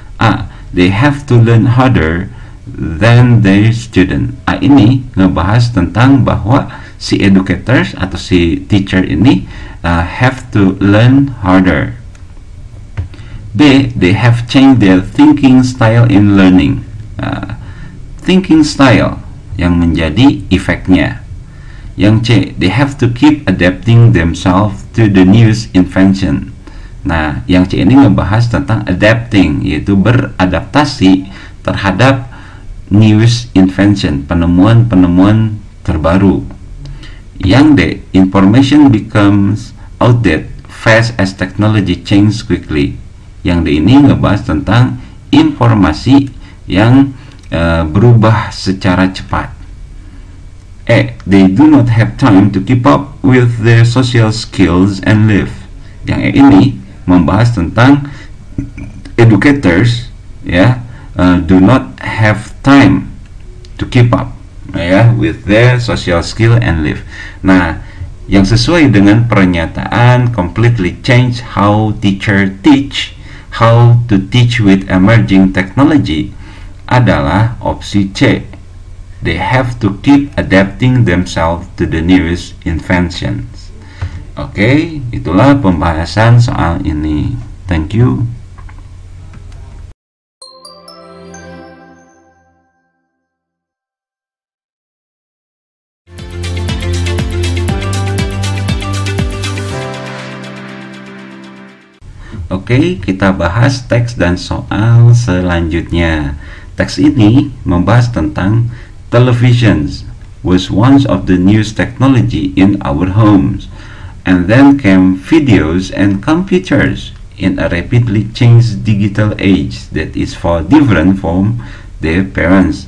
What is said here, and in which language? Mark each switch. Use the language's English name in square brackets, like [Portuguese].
[English] A, they have to learn harder than their student. [Indonesian] A ini ngebahas tentang bahwa si educators atau si teacher ini [English] have to learn harder. B, they have changed their thinking style in learning. Thinking style [Indonesian] yang menjadi efeknya. [English] Yang C, they have to keep adapting themselves to the newest invention. [Indonesian] Nah, yang C ini ngebahas tentang adapting, yaitu beradaptasi terhadap newest invention, penemuan-penemuan terbaru. [English] Yang D, information becomes outdated fast as technology changes quickly. [Indonesian] Yang D ini ngebahas tentang informasi yang berubah secara cepat. [English] E, they do not have time to keep up with their social skills and live. [Indonesian] Yang E ini membahas tentang [English] educators ya, do not have time to keep up ya, with their social skill and live. [Indonesian] Nah, yang sesuai dengan pernyataan [English] completely change how teacher teach, how to teach with emerging technology [Indonesian] adalah opsi C. [English] They have to keep adapting themselves to the newest inventions. [Indonesian] Oke, itulah pembahasan soal ini. [English] Thank you. [Indonesian] Oke, kita bahas teks dan soal selanjutnya. Teks ini membahas tentang [English] televisions was once of the newest technology in our homes, and then came videos and computers in a rapidly changed digital age that is far different from their parents.